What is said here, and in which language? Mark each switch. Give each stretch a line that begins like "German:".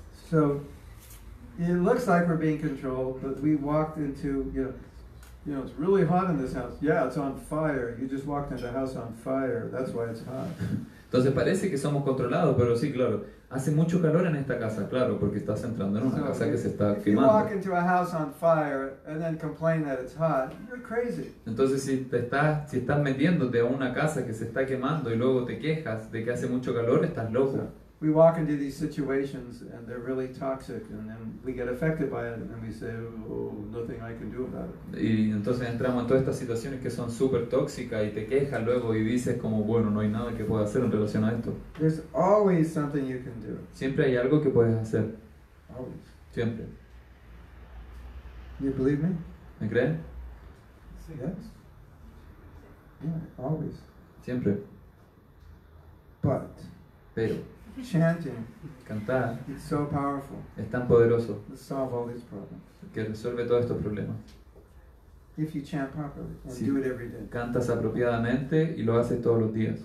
English: So, it looks like we're being controlled, but we walked into, you know, it's really hot in this house. Yeah, it's on fire. You just walked into a house on fire. That's why it's hot.
Spanish: Entonces parece que somos controlados, pero sí, claro. Hace mucho calor en esta casa, claro, porque estás entrando en una casa que se está quemando.
English: If you walk into a house on fire and then complain that it's hot, you're crazy.
Spanish: Entonces si estás metiéndote a una casa que se está quemando y luego te quejas de que hace mucho calor, estás loco.
English: So, we walk into these situations and they're really toxic and then we get affected by it and we say, oh, nothing I can do about it.
Spanish: Y entonces entramos en todas estas situaciones que son super tóxicas y te quejas luego y dices como, bueno, no hay nada que pueda hacer en relación a esto.
English: There's always something you can do.
Spanish: Siempre hay algo que puedes hacer.
English: Always.
Spanish: Siempre.
English: You believe me?
Spanish: ¿Me creen?
English: Sí. Yes. Yeah, always.
Spanish: Siempre.
English: But.
Spanish: Pero.
English: Chanting.
Spanish: Cantar.
English: It's so powerful.
Spanish: Es tan poderoso.
English: To solve all these problems.
Spanish: Que resuelve todos estos problemas.
English: If you chant properly and do it every day.
Spanish: Cantas apropiadamente y lo haces todos los días.